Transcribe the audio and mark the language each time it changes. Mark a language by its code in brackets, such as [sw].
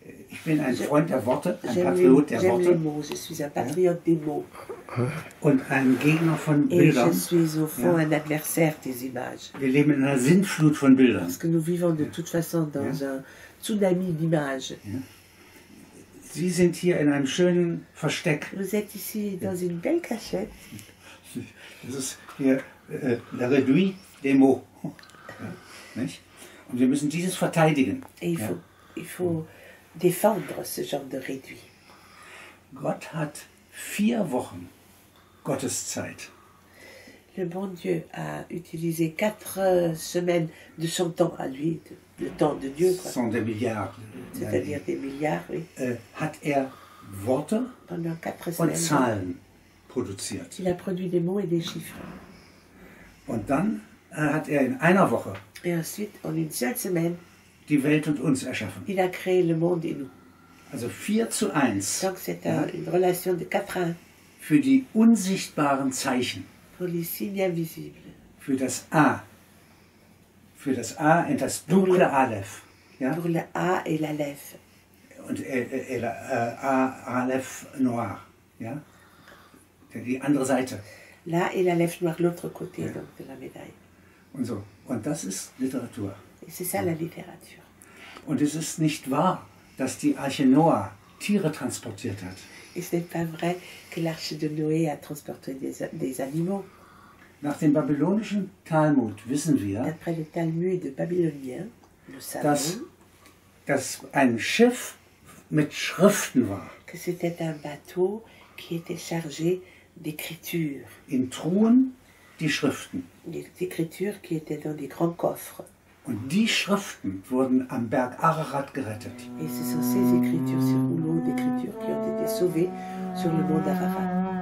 [de] Ich bin ein Freund der Worte, ein Patriot der Worte. [fr] J'aime les mots, je suis un patriote des mots. [de] Und ein Gegner von Bildern. [fr] Et je suis au fond un adversaire des images. [de] Wir leben in einer Sintflut von Bildern. [fr] Parce que nous vivons de toute façon dans un tsunami d'images. [de] Sie sind hier in einem schönen Versteck. [fr] Vous êtes ici dans une belle cachette. [de] Das ist hier [fr] la réduit des mots. [de] Nicht? Und wir müssen dieses verteidigen. [fr] Et il faut défendre ce genre de réduit. [de] Gott hat 4 Wochen Gotteszeit. [fr] Le bon Dieu a utilisé 4 semaines de son temps à lui, le temps de Dieu. Quoi. Sont des milliards. C'est-à-dire des milliards, oui. [de] Hat Worte [fr] pendant 4 semaines [de] und Zahlen produziert. [fr] Il a produit des mots et des chiffres. [de] Und dann hat in einer Woche [fr] et ensuite, en une seule semaine, [de] die Welt und uns erschaffen. [fr] Il a créé le monde et nous. [de] Also 4-1. [fr] Donc c'est une relation de 4-1. [de] Für die unsichtbaren Zeichen. [fr] Pour les signes invisibles. [de] Für das A. Für das A und das dunkle Aleph. [fr] Ja? Pour le A et l'Aleph. [de] Und A, Aleph noir. Ja? Die andere Seite. [fr] La et l'Aleph noir, l'autre côté donc, de la médaille. [de] Und so. Und das ist Literatur. [fr] C'est ça, la littérature. [de] Und es ist nicht wahr, dass die Arche Noah Tiere transportiert hat. [fr] Et ce n'est pas vrai que l'Arche de Noé a transporté des animaux. [de] Nach dem babylonischen Talmud wissen wir, [fr] d'après le Talmud babylonien, nous savons, [de] dass ein Schiff mit Schriften war. [fr] Que c'était un bateau qui était chargé d'écriture. [de] In Truhen die Schriften. [fr] L'écriture qui était dans des grands coffres. [de] Und die Schriften wurden am Berg Ararat gerettet. [fr] Et ce sont ces écritures, ces rouleaux d'écriture qui ont été sauvés sur le mont d'Ararat.